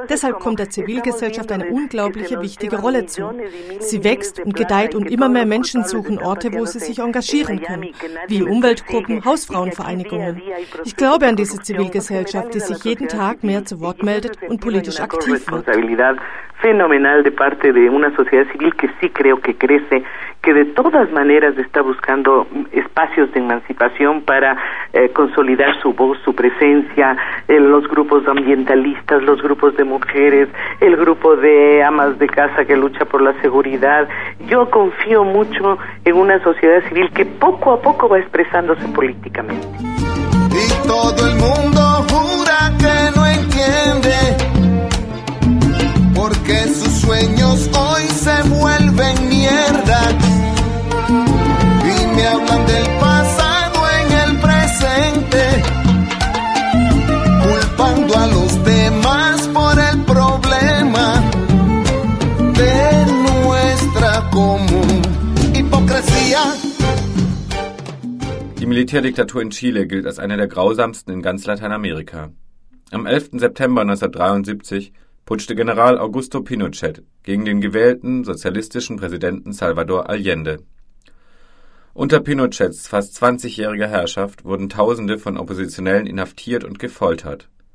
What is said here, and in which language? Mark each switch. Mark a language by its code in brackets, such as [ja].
[de] Deshalb kommt der Zivilgesellschaft eine unglaubliche, wichtige Rolle zu. Sie wächst und gedeiht und immer mehr Menschen suchen Orte, wo sie sich engagieren können, wie Umweltgruppen, Hausfrauenvereinigungen. Ich glaube an diese Zivilgesellschaft, die sich jeden Tag mehr zu Wort meldet und politisch aktiv wird. [es] Phänomenal de parte de una sociedad civil que sí creo que crece, que de todas maneras está buscando espacios de emancipación para consolidar su voz, su presencia, los grupos ambientalistas, los grupos de mujeres, el grupo de amas de casa que lucha por la seguridad. Yo confío mucho en una sociedad civil que poco a poco va expresándose políticamente. Y todo el mundo jura que no entiende. Porque sus sueños hoy se vuelven mierda y me hablan del pasado en el presente, culpando a los demás por el problema de nuestra común hipocresía. [de] Die Militärdiktatur in Chile gilt als eine der grausamsten in ganz Lateinamerika. Am 11. September 1973 putschte General Augusto Pinochet gegen den gewählten sozialistischen Präsidenten Salvador Allende. Unter Pinochets fast 20-jähriger Herrschaft wurden Tausende von Oppositionellen inhaftiert und gefoltert.